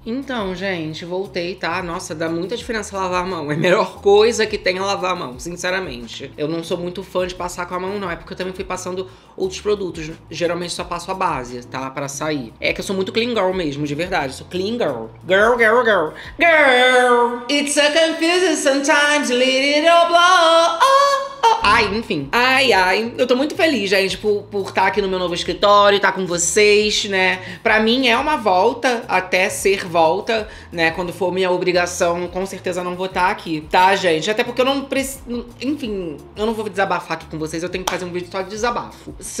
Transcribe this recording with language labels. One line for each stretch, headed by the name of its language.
Portuguese: Então, gente, voltei, tá? Nossa, dá muita diferença lavar a mão. É a melhor coisa que tem a lavar a mão, sinceramente. Eu não sou muito fã de passar com a mão, não. É porque eu também fui passando outros produtos. Geralmente só passo a base, tá? Pra sair. É que eu sou muito clean girl mesmo, de verdade. Eu sou clean girl. Girl, girl, girl. Girl!
English: It's so confusing sometimes, let it all blow.
Portuguese: Ai, enfim. Ai, ai. Eu tô muito feliz, gente, por estar aqui no meu novo escritório, estar com vocês, né? Pra mim é uma volta, até ser volta, né? Quando for minha obrigação, com certeza não vou estar aqui, tá, gente? Até porque eu não preciso... Enfim, eu não vou desabafar aqui com vocês, eu tenho que fazer um vídeo só de desabafo.